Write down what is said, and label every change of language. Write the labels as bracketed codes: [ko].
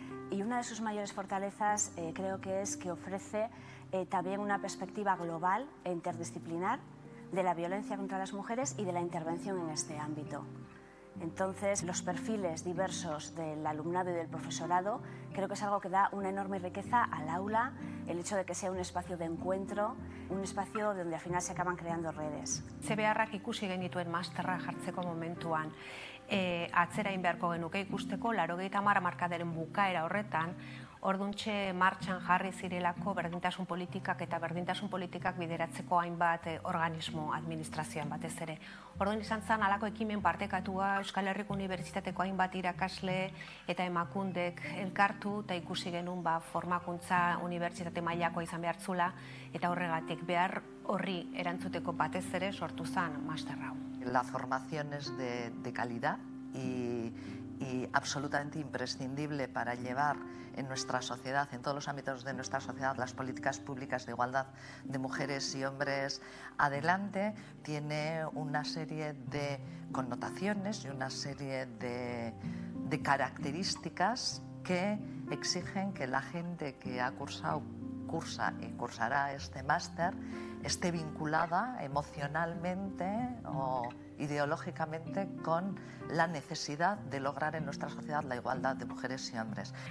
[es] Y una de sus mayores fortalezas creo que es que ofrece también una perspectiva global e interdisciplinar de la violencia contra las mujeres y de la intervención en este ámbito. Entonces, los perfiles diversos del alumnado y del profesorado creo que es algo que da una enorme riqueza al aula, el hecho de que sea un espacio de encuentro, un espacio donde al final se acaban creando redes. [eu] Se ve arrak ikusi genituen masterra jartzeko momentuan. Atzera egin beharko genuke ikusteko 80 markadaren bukaera horretan orduntxe martxan jarri zirelako berdintasun politikak eta berdintasun politikak bideratzeko hainbat organismo administrazioan batez ere. Orduan izan zen halako ekimen partekatua Euskal Herriko Unibertsitateko hainbat irakasle eta emakundek elkartu eta ikusi genuen ba, formakuntza unibertsitate mailako izan behartzula eta horregatik behar horri erantzuteko batez ere sortu zen master hau. [es] La formación es de calidad y absolutamente imprescindible para llevar en nuestra sociedad, en todos los ámbitos de nuestra sociedad, las políticas públicas de igualdad de mujeres y hombres adelante. Tiene una serie de connotaciones y una serie de características que exigen que la gente que ha cursado, cursa y cursará este máster, esté vinculada emocionalmente o ideológicamente con la necesidad de lograr en nuestra sociedad la igualdad de mujeres y hombres.